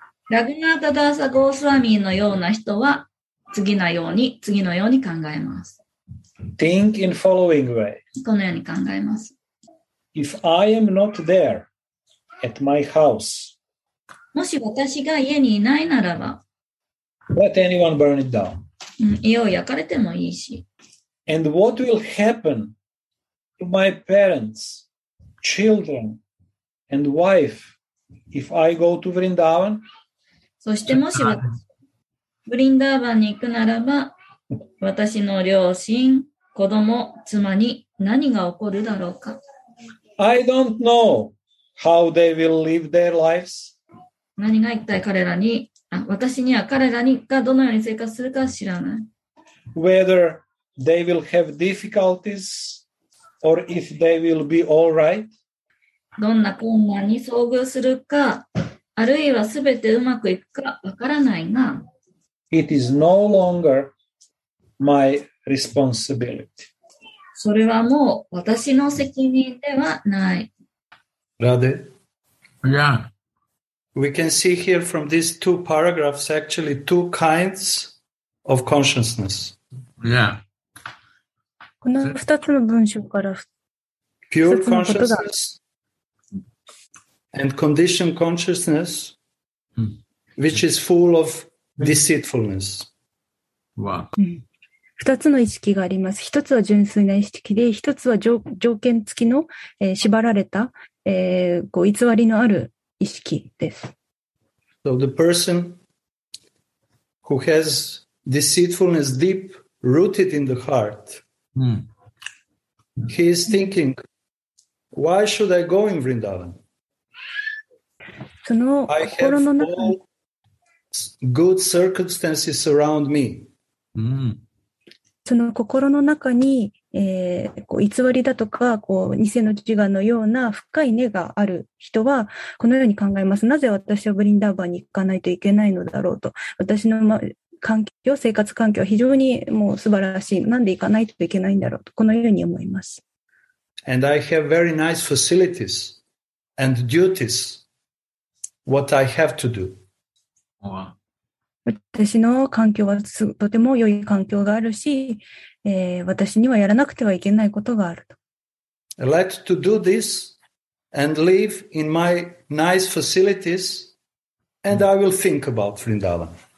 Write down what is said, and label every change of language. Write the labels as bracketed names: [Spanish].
[Japanese] ラグナータダーサ・ゴースワミのような人は次のように考えます。 [English] Think in following way. [Japanese] このように考えます。 [English] If I am not there at my house, [Japanese] もし私が家にいないならば、 [English] let anyone burn it down. [Japanese] 家を焼かれてもいいし。 [English] And what will happen to my parents, children, and wife? If I go to Vrindavan, [Japanese] そしてもし私ブリンダーバンに行くならば、私の両親、子供、妻に何が起こるだろうか。 [English] I don't know how they will live their lives. [Japanese] 何が一体彼らに、私には彼らにがどのように生活するか知らない。 [English] Whether they will have difficulties or if they will be all right. [Japanese] どんな困難に遭遇するか、あるいはすべてうまくいくかわからないが、 [English] It is no longer my responsibility. [Japanese] それはもう私の責任ではない。 [English] Radhe? Yeah. We can see here from these two paragraphs actually two kinds of consciousness. Yeah. [Japanese] この二つの文章から、 [English] Pure consciousness. And conditioned consciousness, which is full of deceitfulness. Wow. [Japanese] 二つの意識があります。一つは純粋な意識で、一つは条件付きの、縛られた、こう偽りのある意識です。 [English] So the person who has deceitfulness deep rooted in the heart, he is thinking, why should I go in Vrindavan? [Japanese] その心の中に、 [English] I have all good circumstances around me. [Japanese] その心の中に、こう偽りだとかこう偽の自我のような深い根がある人はこのように考えます。なぜ私はブリンダーバンに行かないといけないのだろうと。私の環境、生活環境は非常にもう素晴らしい。なんで行かないといけないんだろうと。このように思います。 [English] And I have very nice facilities and duties. What I have to do. Wow. [Japanese] 私の環境はとても良い環境があるし、私にはやらなくてはいけないことがあると。 [English] Let to do this and live in my nice facilities, and I will think about Vrindavan.